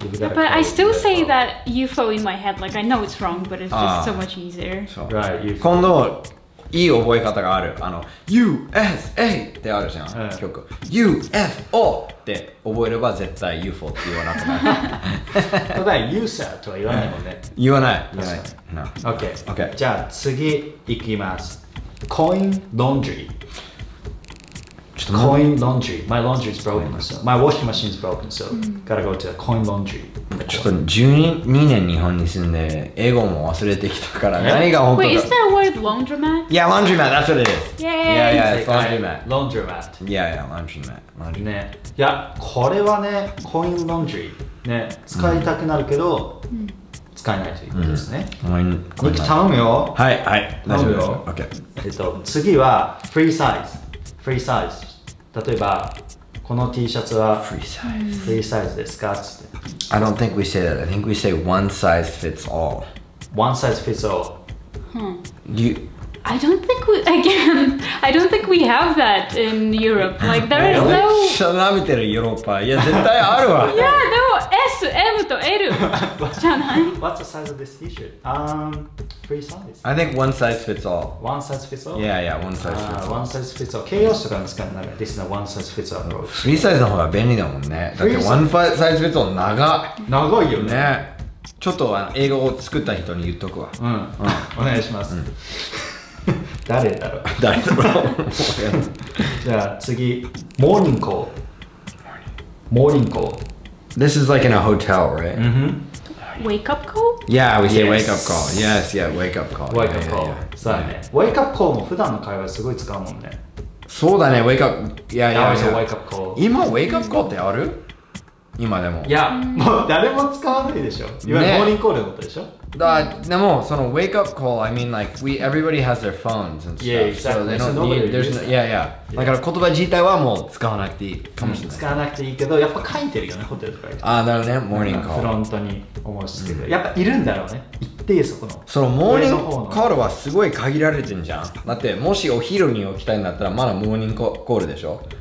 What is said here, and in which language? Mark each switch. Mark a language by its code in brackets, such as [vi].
[en] Yeah, but I still say that UFO in my head. Like, I know it's wrong, but it's just so much easier. Right, UFO. [ja] 今度、いい覚え方がある。あの、USA ってあるじゃん、曲。UFO って覚えれば絶対 UFO って言わなくなる。ただ、USA とは言わないもんね。言わない。確かに。 [en] No. Okay. Okay. [ja] じゃあ次行きます。Coin Laundry. [en] Coin laundry. My laundry is broken, so my washing machine is broken, so gotta go to a coin laundry. [ja] ちょっと12年日本に住んで英語も忘れてきたから何が本当だ。 [en] Wait, is that a word laundromat? Yeah, laundromat. That's what it is. Yeah, yeah, yeah. Laundromat. Laundromat. Yeah, yeah. Laundromat. [ja] ね、いやこれはね、コインラウンドリーね、使いたくなるけど、使えないということですね。コイン。ニキ頼むよ。はいはい。頼むよ。 OK。次はフリーサイズ。フリーサイズ。例えば、この T シャツはフリーサイズ。フリーサイズですかつって。 [en] I don't think we say that. I think we say one size fits all. One size fits all. I don't think we, again, I don't think we have that in Europe. Like, there is no... [ja] めっちゃ舐めてる、ヨーロッパ。いや、絶対あるわ。いや、でも S、M と L じゃない [en] What's the size of this T-shirt? Free size. I think one size fits all. One size fits all? Yeah, yeah, one size fits all. One size fits all. [ja] KOS とかに使うなら、 [en] This is a one size fits all. [ja] Free size の方が便利だもんね。だって、 [en] one size fits all [ja] 長っ。長いよね。ね。ちょっと、英語を作った人に言っとくわ。うん。お願いします。誰だろう誰だろうじゃあ次、モーニングコール。モーニングコール。 [en] This is like in a hotel, right? Mm-hmm. Wake up call? Yeah, we say、yes. wake up call. Yes, yeah, wake up call. Wake up call. [ja] そうだね。Wake up call も普段の会話すごい使うもんね。そうだね、 [en] wake up. Yeah, yeah, yeah. That was a wake up call. [ja] 今、wake up call ってある今でも。いや、もう誰も使わないでしょ。いわゆるモーニングコールのことでしょ。でもその [en] wake up call, I mean like we everybody has their phones and stuff, yeah, exactly. so they don't so need there's no yeah, yeah yeah. [ja] だから言葉自体はもう使わなくていいかもしれない。使わなくていいけどやっぱ書いてるよねホテルとか。ああなるね morning call。フロントに申し付ける。やっぱいるんだろうね。一定そこの。その morning call はすごい限られてんじゃん。だってもしお昼に起きたいんだったらまだ morning call でしょ。